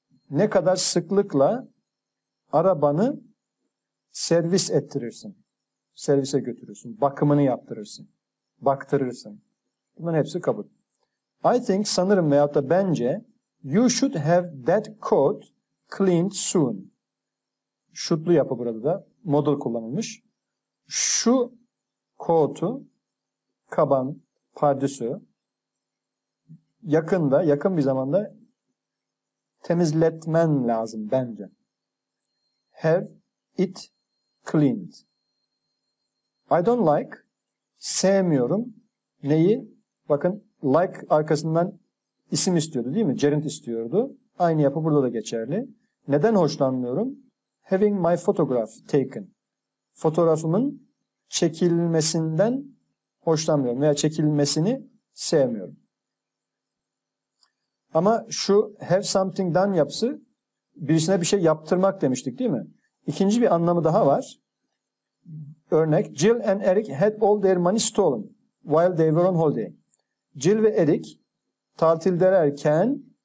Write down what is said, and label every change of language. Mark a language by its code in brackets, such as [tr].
[tr] Ne kadar sıklıkla arabanı servis ettirirsin. Servise götürürsün. Bakımını yaptırırsın. Baktırırsın. Bunların hepsi kabul. [en] I think, [tr] sanırım veyahut da bence, [en] you should have that coat cleaned soon. [tr] Şutlu yapı burada da. Model kullanılmış. Şu coat'u, kaban, pardüsü, yakında, yakın bir zamanda temizletmen lazım bence. [en] Have it cleaned. I don't like, [tr] sevmiyorum. Neyi? Bakın, like arkasından isim istiyordu değil mi? Gerund istiyordu. Aynı yapı burada da geçerli. Neden hoşlanmıyorum? [en] Having my photograph taken. [tr] Fotoğrafımın çekilmesinden hoşlanmıyorum veya çekilmesini sevmiyorum. Ama şu [en] have something done [tr] yapısı, birisine bir şey yaptırmak demiştik değil mi? İkinci bir anlamı daha var. [en] Örnek, Jill and Eric had all their money stolen while they were on holiday. [tr] Jill ve Eric tatildelerken